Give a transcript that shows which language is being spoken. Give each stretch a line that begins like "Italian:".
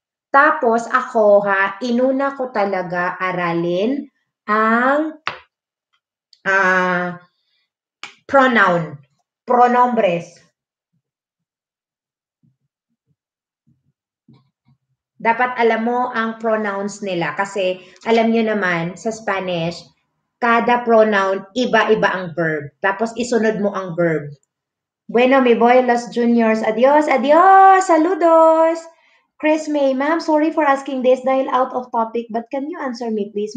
Filipino: Tapos, ako ha, inuna ko talaga aralin ang pronoun, pronombres. Dapat alam mo ang pronouns nila kasi alam nyo naman sa Spanish, kada pronoun, iba-iba ang verb. Tapos isunod mo ang verb.
Spanish: Bueno, mi boy, los juniors, adios, adios, saludos.
English: Chris May, ma'am, sorry for asking this dahil out of topic, but can you answer me please?